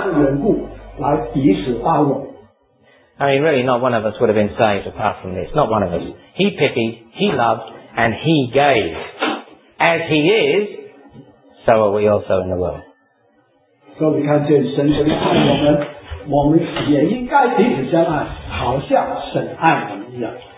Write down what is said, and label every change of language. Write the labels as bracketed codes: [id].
[zh] 所以我们的基督徒的应该彼此相爱，也应该彼此怜悯，不应该有骄傲的心，自己认为自己什么好的都会做，但是其他基督徒就做得不好的，我们要围着神的爱的缘故来彼此包容。 [en] I mean, really, not one of us would have been saved apart from this. Not one of us. He pitied, he loved, and he gave. As he is, so are we also in the world. [zh] 所以你看见神怎么看我们，我们也应该彼此相爱，好像神爱我们一样。